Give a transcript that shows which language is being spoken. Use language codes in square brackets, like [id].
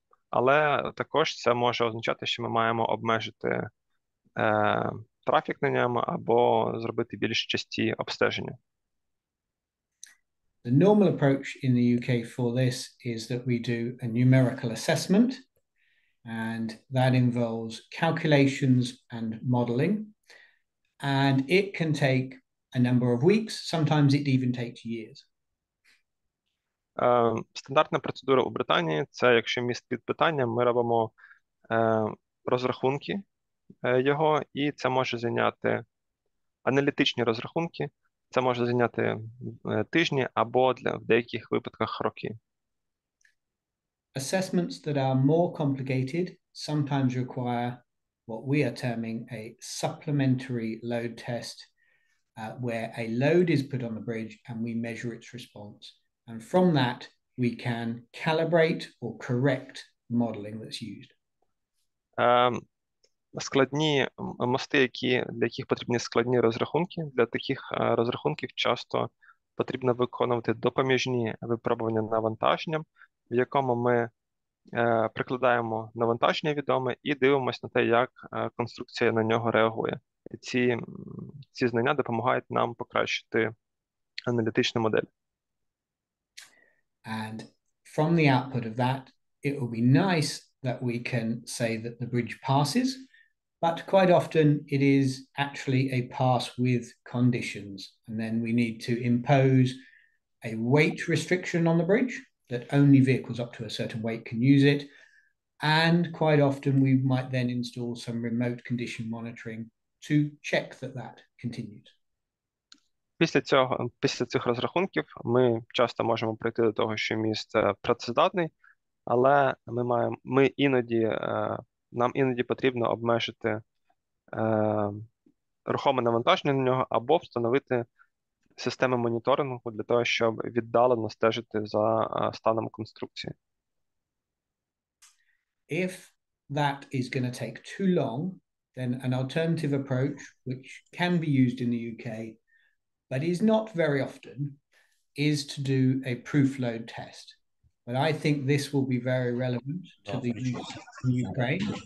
[uk] Але також це може означати, що ми маємо обмежити трафік на ньому або зробити більш часті обстеження. [en] The normal approach in the UK for this is that we do a numerical assessment, and that involves calculations and modeling. And it can take a number of weeks, sometimes it even takes years. [uk] Стандартна процедура у Британії – це, якщо міст під питанням, ми робимо розрахунки його, і це може зайняти аналітичні розрахунки. Це може зайняти тижні або в деяких випадках роки. [en] Assessments that are more complicated sometimes require what we are terming a supplementary load test, where a load is put on the bridge and we measure its response. And from that, we can calibrate or correct modeling that's used. [uk] Складні мости, для яких потрібні складні розрахунки, для таких розрахунків часто потрібно виконувати допоміжні випробування навантаженням, в якому ми прикладаємо навантаження відоме і дивимося на те, як конструкція на нього реагує. І ці знання допомагають нам покращити аналітичну модель. [en] And from the output of that, it will be nice that we can say that the bridge passes, but quite often it is actually a pass with conditions. And then we need to impose a weight restriction on the bridge that only vehicles up to a certain weight can use it. And quite often we might then install some remote condition monitoring to check that that continues. [uk] Після цих розрахунків ми часто можемо прийти до того, що міст працездатний, але нам іноді потрібно обмежити рухоме навантаження на нього або встановити системи моніторингу для того, щоб віддалено стежити за станом конструкції. [en] If that is going to take too long, then an alternative approach, which can be used in the UK, but is not very often, is to do a proof load test. But I think this will be very relevant to the use in Ukraine.